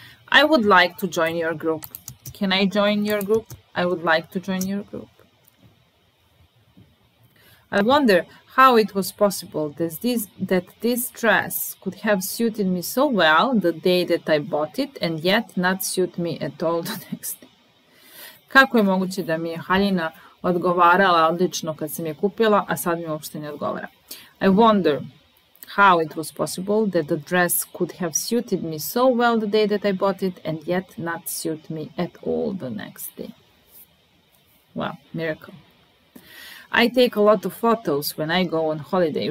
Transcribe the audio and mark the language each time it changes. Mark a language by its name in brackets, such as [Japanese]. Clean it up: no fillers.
[English] I would like to join your group. Can I join your group? I would like to join your group. I wonder how it was possible that this dress could have suited me so well the day that I bought it and yet not suit me at all the next day. [Serbian] Kako je moguće da mi je haljina odgovarala odlično kad sam je kupila, a sad mi uopšte ne odgovara. [English] I wonder how it was possible that the dress could have suited me so well the day that I bought it and yet not suit me at all the next day. Wow, miracle. I take a lot of photos when I go on holiday.